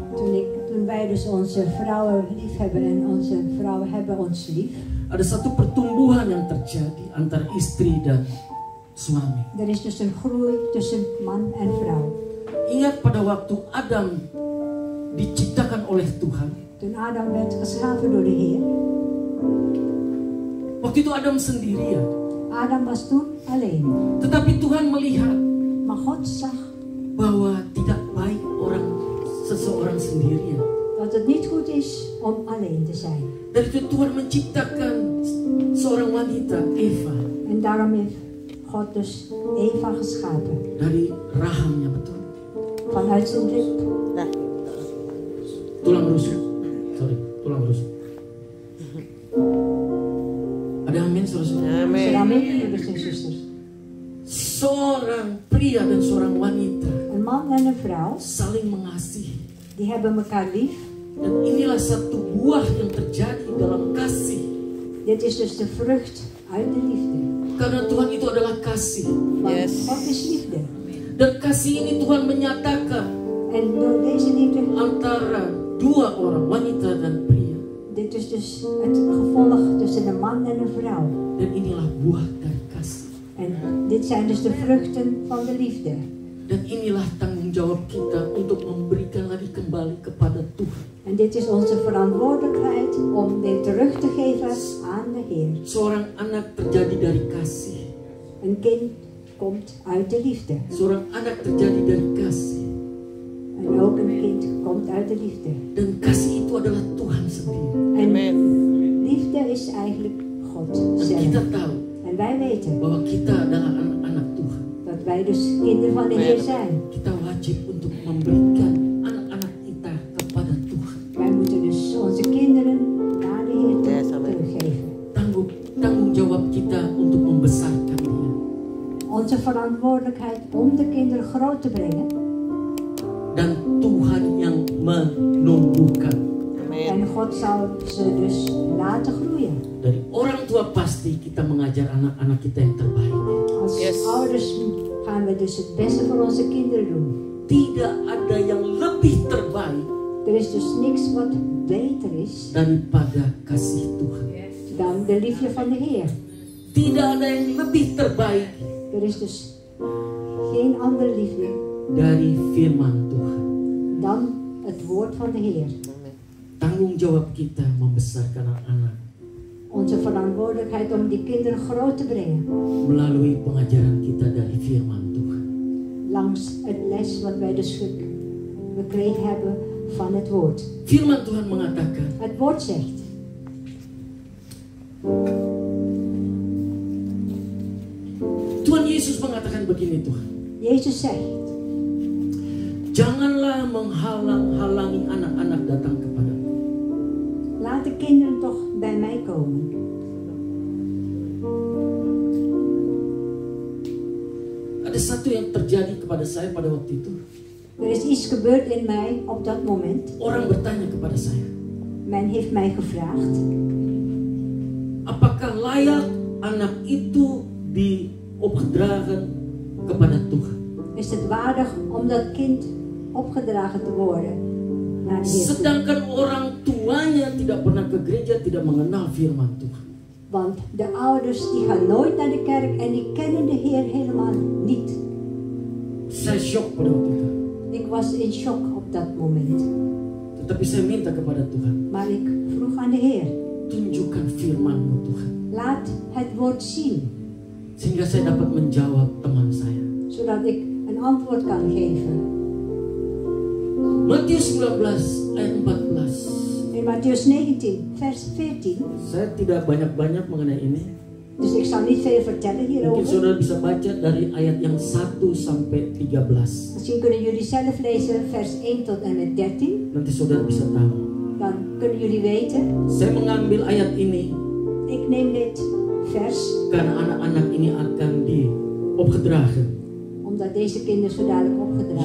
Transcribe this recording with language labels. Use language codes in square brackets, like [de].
[nl] Toen wij dus onze vrouwen lief hebben en onze vrouwen hebben ons lief. [id] Ada satu pertumbuhan yang terjadi antara istri dan suami. [nl] Er is dus een groei tussen man en vrouw. [id] Ingat pada waktu Adam diciptakan oleh Tuhan. [nl] Toen Adam werd geschapen door de Heer. [id] Waktu itu Adam sendirian. [nl] Adam was toen alleen. [id] Tetapi Tuhan melihat. [nl] Maar God zag. [id] Bahwa tidak baik orang seseorang sendirian. [nl] Dat het niet goed is om alleen te zijn. [id] Dan itu Tuhan menciptakan seorang wanita, Eva. [nl] En daarom heeft God dus Eva geschapen. [id] Dari rahangnya betul. [nl] Vanuit zijn rib. [id] Tulang rusuk. Sorry, tulang rusuk. Ada amin, saudara-saudara. Amin. Amin, saudara-saudara. Seorang pria dan seorang wanita. [nl] Een man en een vrouw. [id] Saling mengasihi. [nl] Die hebben elkaar lief. [id] Dan inilah satu buah yang terjadi dalam kasih. [nl] Dit is dus de vrucht uit de liefde. [id] Karena Tuhan itu adalah kasih. [en] Yes. [nl] God is liefde. [id] Dan kasih ini Tuhan menyatakan. [nl] En door deze liefde. [id] Antara dua orang, wanita dan pria. [nl] Dit is dus het gevolg tussen een man en een vrouw. [id] Dan inilah buah. [nl] En dit zijn dus de vruchten van de liefde. [id] Dan inilah tanggung jawab kita untuk memberikan lagi kembali kepada Tuhan. [nl] En dit is onze verantwoordelijkheid om dit terug te geven aan de Heer. [id] Seorang anak terjadi dari kasih. [nl] Een kind komt uit de liefde. [id] Seorang anak terjadi dari kasih. [nl] En ook een kind komt uit de liefde. [id] Dan kasih itu adalah Tuhan sendiri. [nl] En liefde is eigenlijk God zelf. [id] Kita tahu. [nl] En wij weten [id] bahwa kita adalah anak-anak Tuhan. [nl] Dat wij dus kinderen van de Heer zijn. [id] Kita wajib untuk memberikan anak-anak kita kepada Tuhan. [nl] Wij moeten dus onze kinderen naar de Heer teruggeven. [id] Tanggung jawab kita untuk membesarkan dia. [nl] Onze verantwoordelijkheid om de kinderen groot te brengen. [id] Dan Tuhan yang menumbuhkan. [nl] En God zal ze dus laten groeien. [id] Dari orang tua pasti kita mengajar anak-anak kita yang terbaik. [nl] Als ouders gaan we dus het beste voor onze kinderen doen. [id] Tidak ada yang lebih terbaik. [nl] Er is dus niks wat beter is. [id] Daripada kasih Tuhan. [nl] Dan de liefde van de Heer. [id] Tidak ada yang lebih terbaik. [nl] Er is dus geen andere liefde. [id] Dari firman Tuhan. [nl] Dan het woord van de Heer. [id] Tanggung jawab kita membesarkan anak-anak. [nl] Onze verantwoordelijkheid om die kinderen groot te brengen. [id] Melalui pengajaran kita dari firman Tuhan. [nl] Langs het les wat wij dus gekregen hebben van het woord. [id] Firman Tuhan mengatakan. [nl] Het woord zegt. [id] Tuhan Yesus mengatakan begini Tuhan. [nl] Yesus zegt. [id] Janganlah menghalang-halangi anak-anak datang kepada. [nl] Laat de kinderen toch bij mij komen. [id] Ada satu yang terjadi kepada saya pada waktu itu. [nl] Er is iets gebeurd in mij op dat moment. [id] Orang bertanya kepada saya. [nl] Men heeft mij gevraagd. [id] Apakah layak anak itu diopdragen kepada Tuhan? [nl] is het waardig om dat kind opgedragen te worden. [id] Sedangkan orang tuanya tidak pernah ke gereja, tidak mengenal firman Tuhan. [nl] Want de ouders die gaan nooit naar de kerk en die kennen de Heer helemaal niet. [id] Saya shock pada waktu itu. [nl] Ik was in shock op dat moment. [id] Tetapi saya minta kepada Tuhan. [nl] Maar ik vroeg aan de Heer. [id] Tunjukkan firman-Mu Tuhan. [nl] Laat het woord zien. [id] Sehingga saya dapat menjawab teman saya. [nl] Zodat ik een antwoord kan geven. [id] Matius 19 ayat 14. [nl] In Matius 19 vers 14. [id] Saya tidak banyak-banyak mengenai ini. [nl] Dus ik zal niet veel vertellen hierover. [id] Mungkin saudara bisa baca dari ayat yang 1 sampai 13. [nl] Misschien kunnen jullie zelf lezen vers 1 tot en met 13. [id] Nanti saudara bisa tahu. [nl] Dan kunnen jullie weten. [id] Saya mengambil ayat ini. [nl] Ik neem dit vers. [id] Karena anak-anak ini akan diopgedragen. [nl] Omdat deze kinderen zo dadelijk opgedragen.